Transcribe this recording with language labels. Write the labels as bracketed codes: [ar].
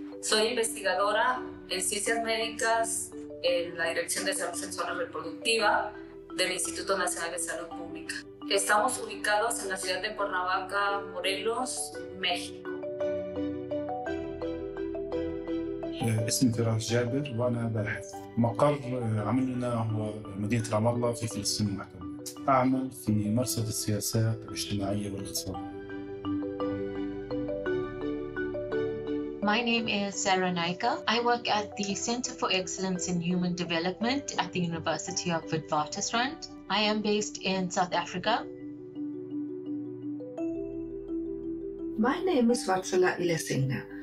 [es] Soy investigadora en ciencias médicas en la Dirección de Salud Sexual y Reproductiva del Instituto Nacional de Salud Pública. Estamos ubicados en la ciudad de Cuernavaca, Morelos, México. [ar] اسمي فراس جابر وانا باحث. مقر عملنا هو مدينة رام الله في فلسطين المحتلة. اعمل في مرصد السياسات الاجتماعية والاقتصادية. [en] My name is Sarah Naika. I work at the Center for Excellence in Human Development at the University of Witwatersrand. I am based in South Africa. My name is Vatsala Ilesinga.